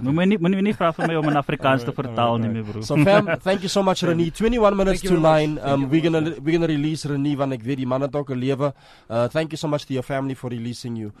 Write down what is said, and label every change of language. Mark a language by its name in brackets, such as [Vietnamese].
[Afrikaans] Moet nie vraag van my om in Afrikaans te vertaal nie, my broer. [English] So fam, thank you so much, Renee. 21 minutes to 9. We're gonna release Renee, [Afrikaans] want ek weet die man het ook 'n lewe. [English] Thank you so much to your family for releasing you.